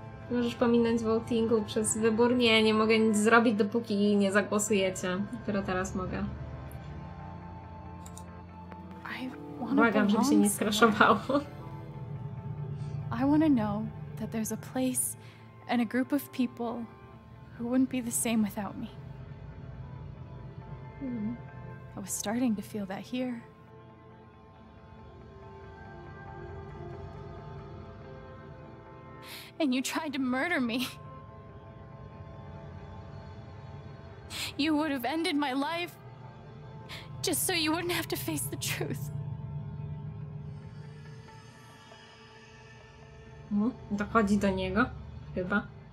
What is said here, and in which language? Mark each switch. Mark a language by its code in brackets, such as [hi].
[pl] Możesz pominąć votingu przez wybór? Nie, nie mogę nic zrobić, dopóki nie zagłosujecie. Dopiero teraz mogę. błagam, żeby się nie skraszowało. [en] I want to know that there's a place and a group of people who wouldn't be the same without me. I was starting to feel that here. And you tried to murder me. You would have ended my life just so you wouldn't have to face the truth. [pl] Dochodzi do niego, chyba.